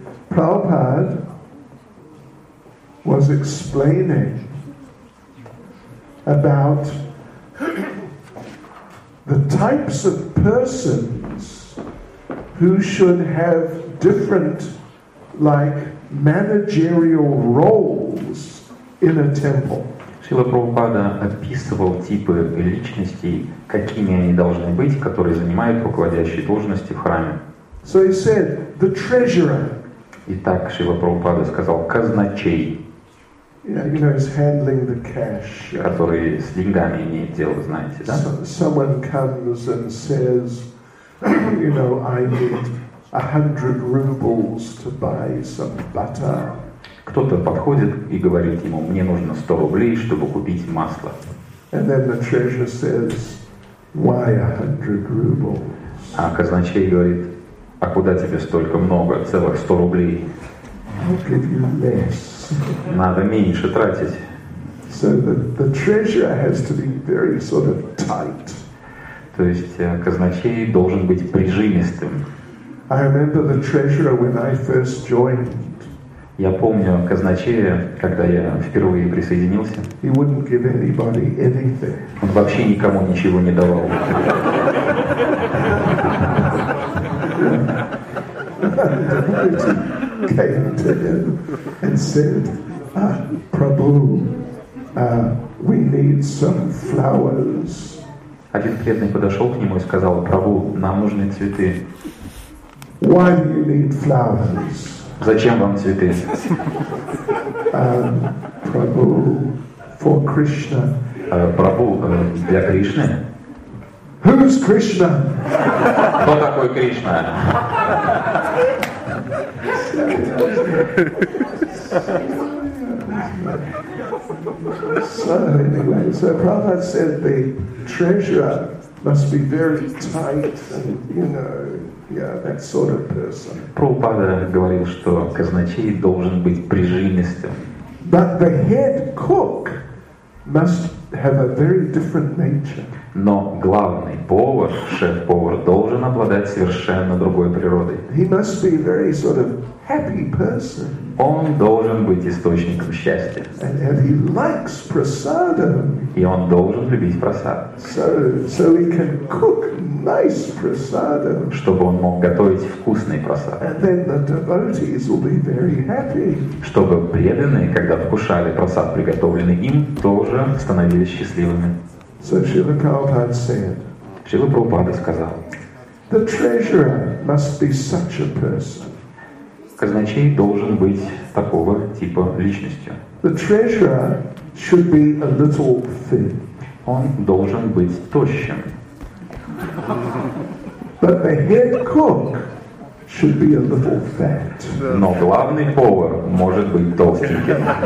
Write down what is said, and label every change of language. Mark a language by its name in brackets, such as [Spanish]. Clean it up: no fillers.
[English] Prabhupada was explaining about the types of persons who should have different, like, managerial roles in a temple. [Russian] Шрила Прабхупада описывал типы личностей, какими они должны быть, которые занимают руководящие должности в храме. [English] So he said, the treasurer. [Russian] Итак, Шрила Прабхупада сказал, казначей. [English] Yeah, you know, he's handling the cash. [Russian] Который с деньгами имеет дело, знаете, да? [English] Someone comes and says, you know, I need 100 rubles to buy some butter. [Russian] Кто-то подходит и говорит ему, мне нужно 100 рублей, чтобы купить масло. [English] And then the treasurer says, why 100 rubles? [Russian] А казначей говорит, а куда тебе столько много, целых 100 рублей? [English] I'll give you less. [Russian] Надо меньше тратить. [English] So the treasurer has to be very sort of tight. [Russian] То есть казначей должен быть прижимистым. [English] I remember the treasurer when I first joined. [Russian] Я помню казначея, когда я впервые присоединился. [English] He wouldn't give anybody anything. [Russian] Он вообще никому ничего не давал. [English] Came to him and said, Prabhu, we need some flowers. [Russian] Один преданный подошел к нему и сказал, Прабу, нам нужны цветы. [English] Why do you need flowers? [Russian] Зачем вам цветы? [English] Prabhu, for Krishna. [Russian] Прабу, для Кришны. [English] Who's Krishna? [Russian] Кто такой Кришна? [English] So Prabhupada said the treasurer must be very tight and, you know, yeah, that sort of person. [Russian] Prabhupada говорил, что казначей должен быть прижимистым. [English] But the head cook must have a very different nature. [Russian] Но главный повар, шеф-повар, должен обладать совершенно другой природой. [English] He must be very sort of happy person. [Russian] Он должен быть источником счастья. [English] And he likes prasadam. [Russian] И он должен любить прасад. [English] So he can cook nice prasadam. [Russian] Чтобы он мог готовить вкусный прасад. [English] And then the devotees will be very happy. [Russian] Чтобы преданные, когда вкушали прасад, приготовленный им, тоже становились счастливыми. [English] So Srila Prabhupada said. [Russian] Srila Prabhupada сказал. [English] The treasurer must be such a person. [Russian] Казначей должен быть такого типа личностью. [English] The treasurer should be a little thin. [Russian] Он должен быть тощим. [English] But the head cook should be a little fat. [Russian] Но главный повар может быть толстеньким.